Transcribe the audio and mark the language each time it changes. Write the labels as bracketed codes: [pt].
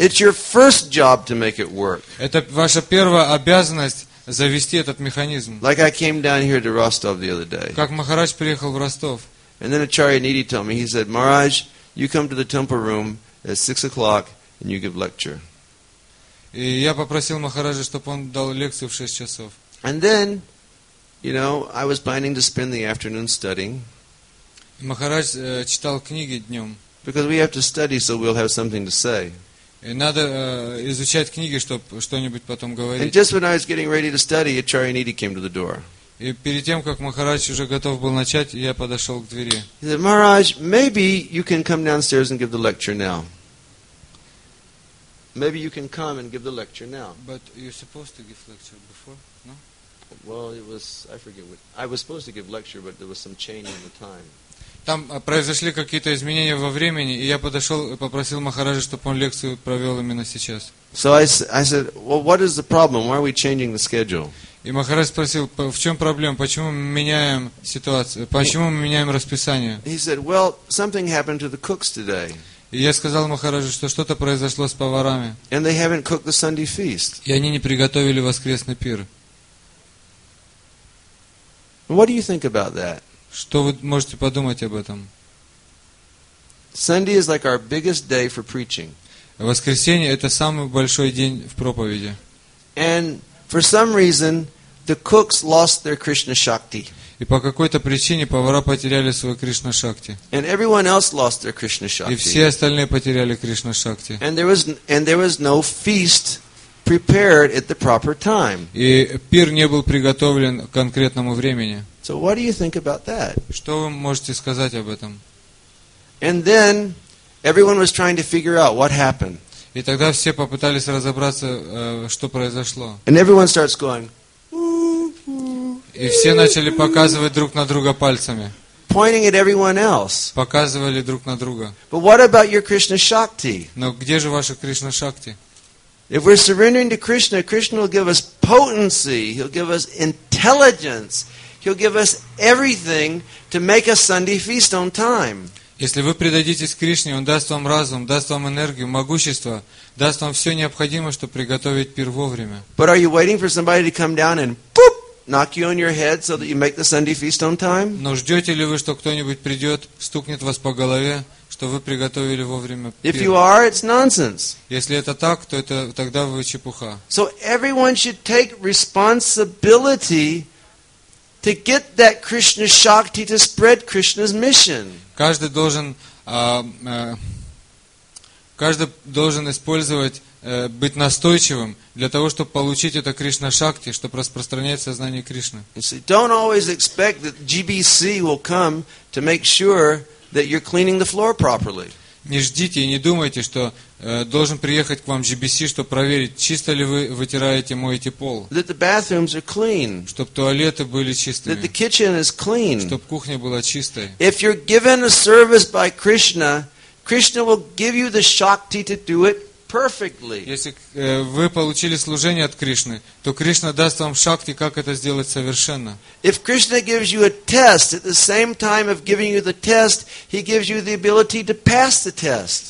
[en] It's your first job to make it work. [ru] Это ваша первая обязанность завести этот механизм. [en] Like I came down here to Rostov the other day. [ru] Как Махарадж приехал в Ростов. [en] And then Acharya Niti told me, he said, Maharaj, you come to the temple room at 6 o'clock and you give lecture. [ru] И я попросил Махараджа, чтобы он дал лекцию в 6 часов. [en] And then, you know, I was planning to spend the afternoon studying. [ru] Махарадж читал книги днем. [en] Because we have to study, so we'll have something to say. [ru] И надо изучать книги, чтобы что-нибудь потом говорить. [en] And just when I was getting ready to study, Acharya Niti came to the door. [ru] И перед тем, как Махарадж уже готов был начать, я подошел к двери. [en] He said, Maharaj, maybe you can come downstairs and give the lecture now. Maybe you can come and give the lecture now. But you're supposed to give lecture before, no? Well, it was, I forget what, I was supposed to give lecture, but there was some change in the time. [ru] Там произошли какие-то изменения во времени, и я подошел и попросил Махараджа, чтобы он лекцию провел именно сейчас. [en] So I said, well, what is the problem? Why are we changing the schedule? [ru] И Махарадж спросил, в чем проблема, почему мы меняем ситуацию, почему мы меняем расписание? [en] He said, well, something happened to the cooks today. [ru] И я сказал Махараджу, что что-то произошло с поварами. [en] And they haven't cooked the Sunday feast. [ru] И они не приготовили воскресный пир. [en] What do you think about that? [ru] Что вы можете подумать об этом? [en] Sunday is like our biggest day for preaching. [ru] Воскресенье – это самый большой день в проповеди. [en] And for some reason, the cooks lost their Krishna Shakti. [ru] И по какой-то причине повара потеряли свой Кришна Шакти. [en] And everyone else lost their Krishna Shakti. [ru] И все остальные потеряли Кришна Шакти. [en] And there was no feast prepared at the proper time. [ru] И пир не был приготовлен к конкретному времени. [en] So what do you think about that? [ru] Что вы можете сказать об этом? [en] And then everyone was trying to figure out what happened. [ru] И тогда все попытались разобраться, что произошло. [en] And everyone starts going. [ru] И все начали показывать друг на друга пальцами. [en] Pointing at everyone else. [ru] Показывали друг на друга. [en] But what about your Krishna Shakti? [ru] Но где же ваша Кришна Шакти? [en] If we're surrendering to Krishna, Krishna will give us potency, he'll give us intelligence, he'll give us everything to make a Sunday feast on time. [ru] Если вы предадитесь Кришне, он даст вам разум, даст вам энергию, могущество, даст вам все необходимое, чтобы приготовить пир вовремя. [en] But are you waiting for somebody to come down and poop? Knock you on your head so that you make the Sunday feast on time? [ru] Но ждете ли вы, что кто-нибудь придет, стукнет вас по голове, что вы приготовили вовремя пир? [en] If you are, it's nonsense. [ru] Если это так, то это тогда вы чепуха. [en] So everyone should take responsibility to get that Krishna Shakti to spread Krishna's mission. [ru] Каждый должен использовать быть настойчивым для того, чтобы получить это Кришна Шакти, чтобы распространять сознание Кришны. [en] Don't always expect that GBC will come to make sure that you're cleaning the floor properly. [ru] Не ждите и не думайте, что должен приехать к вам GBC, чтобы проверить, чисто ли вы вытираете, моете пол. [en] That the bathrooms are clean. [ru] Чтобы туалеты были чистыми. [en] That the kitchen is clean. [ru] Чтобы кухня была чистой. [en] If you're given a service by Krishna, Krishna will give you the Shakti to do it perfectly. [ru] Если вы получили служение от Кришны, то Кришна даст вам шакти, как это сделать совершенно. [en] If Krishna gives you a test, at the same time of giving you the test, he gives you the ability to pass the test.